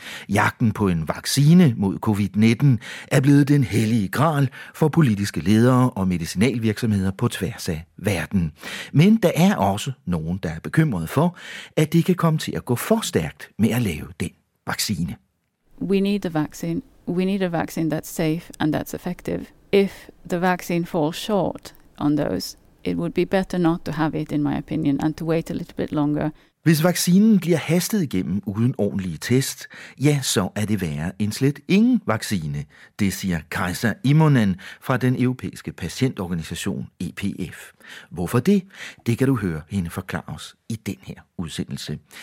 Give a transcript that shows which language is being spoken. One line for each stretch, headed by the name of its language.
Danish: Jagten på en vaccine mod covid-19 er blevet den hellige gral for politiske ledere og medicinalvirksomheder på tværs af verden. Men der er også nogen, der er bekymrede for, at det kan komme til at gå for stærkt med at lave den vaccine.
English: We need a vaccine. We need a vaccine that's safe and that's effective. If the vaccine falls short on those, it would be better not to have it, in my opinion, and to wait a little bit longer.
Danish: Hvis vaccinen bliver hastet igennem uden ordentlige test, ja, så er det værre end slet ingen vaccine, det siger Kajsa Immonen fra den europæiske patientorganisation EPF. Hvorfor det? Det kan du høre hende forklare os i den her udsendelse.